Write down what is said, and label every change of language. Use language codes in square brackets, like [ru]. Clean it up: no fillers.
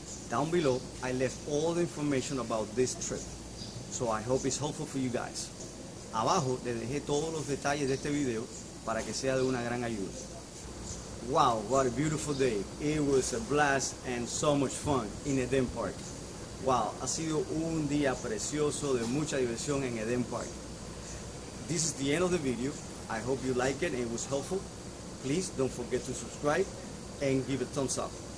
[en] Down below, I left all the information about this trip, so I hope it's helpful for you guys. [es] Abajo, les dejé todos los detalles de este video para que sea de una gran ayuda. [en] Wow, what a beautiful day. It was a blast and so much fun in Eden Park. [es] Wow, ha sido un día precioso de mucha diversión en Eden Park. [en] This is the end of the video. I hope you like it and it was helpful. Please don't forget to subscribe and give a thumbs up.